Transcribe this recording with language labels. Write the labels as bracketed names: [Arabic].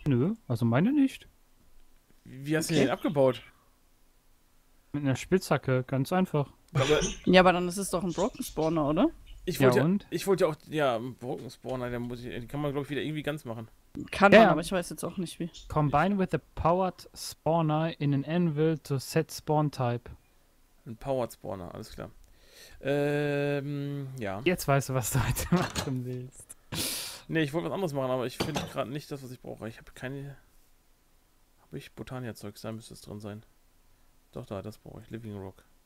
[German] Nö, also meine nicht. Wie hast du den abgebaut? Mit einer Spitzhacke, ganz einfach. Ja, aber dann ist es doch ein Broken Spawner, oder? Ich wollte einen Broken Spawner, den kann man, glaube ich, wieder irgendwie ganz machen. Kann man, aber ich weiß jetzt auch nicht wie. [English] Combine with a powered spawner in an anvil to set spawn type. [German] Ein powered spawner, alles klar. Ja. Jetzt weißt du, was du heute machen willst. Nee, ich wollte was anderes machen, aber ich finde gerade nicht das, was ich brauche. Ich habe keine. Habe ich Botania-Zeugs? Da müsste es drin sein. Doch, da, das brauche ich. Living Rock.